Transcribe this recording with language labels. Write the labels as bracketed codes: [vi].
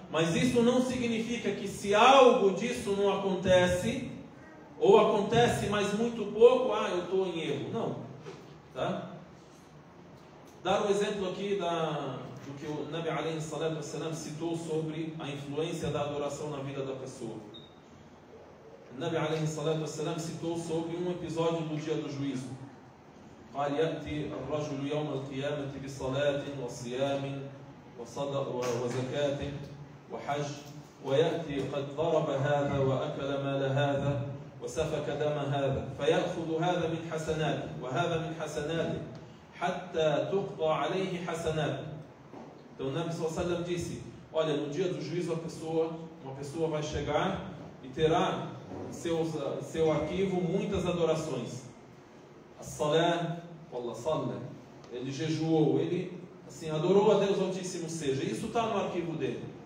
[pt] Mas isso não significa que se algo disso não acontece, ou acontece, mas muito pouco, ah, eu estou em erro. Não. Tá? Dar um exemplo aqui do que o Nabi alayhi salatu wa salam citou sobre a influência da adoração na vida da pessoa. O Nabi alayhi salatu wassalam citou sobre um episódio do dia do juízo. [ar] قال يأتي الرجل يوم القيامة بصلاة وصيام وصدق وزكاة وحج ويأتي قد ضرب هذا وأكل مال هذا وسفك دم هذا فيأخذ هذا من حسناته وهذا من حسناته حتى تقضى عليه حسناته. [pt] Então o Nabi sallallahu alaihi wa sallam disse: olha, no dia do juízo uma pessoa vai chegar e terá seu arquivo muitas adorações. As-salam, Allah salam, ele jejuou, ele assim adorou a Deus Altíssimo, seja, isso está no arquivo dele.